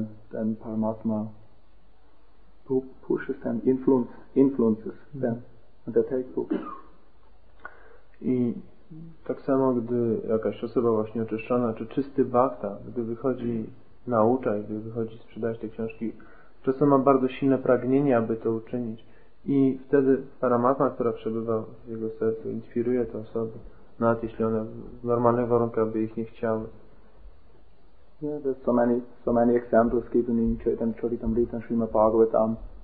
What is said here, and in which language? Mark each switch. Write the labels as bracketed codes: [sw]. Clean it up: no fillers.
[en] Then Paramatma pushes them, influences them, and they take books. [pl] I tak samo, gdy jakaś osoba właśnie oczyszczona, czy czysty bhakta, gdy wychodzi naucza i gdy wychodzi sprzedać te książki, czasem ma bardzo silne pragnienie, aby to uczynić. I wtedy Paramatma, która przebywa w jego sercu, inspiruje te osoby, nawet jeśli one w normalnych warunkach by ich nie chciały. [en] Yeah, there's so many examples given in Chaitanya Charitamrita and Srimad Bhagavatam.